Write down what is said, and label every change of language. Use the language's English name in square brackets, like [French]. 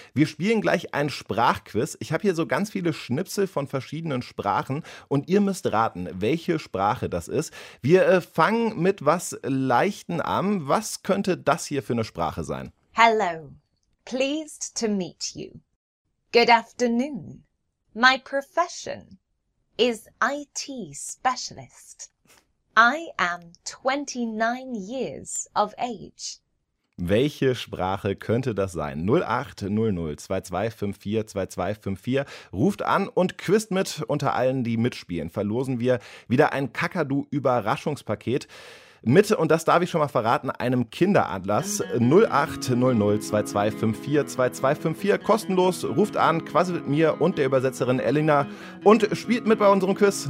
[German] Wir spielen gleich ein Sprachquiz. Ich habe hier so ganz viele Schnipsel von verschiedenen Sprachen und ihr müsst raten, welche Sprache das ist. Wir fangen mit was Leichten an. Was könnte das hier für eine Sprache sein? [English] Hello. Pleased to meet you. Good afternoon. My profession is IT specialist. I am 29 years of age. [German] Welche Sprache könnte das sein? 0800 2254 2254, ruft an und quizt mit. Unter allen, die mitspielen, verlosen wir wieder ein Kakadu-Überraschungspaket. Mit, und das darf ich schon mal verraten, einem Kinderatlas. 0800 2254 2254, kostenlos, ruft an, quasselt mir und der Übersetzerin Elena und spielt mit bei unserem Quiz.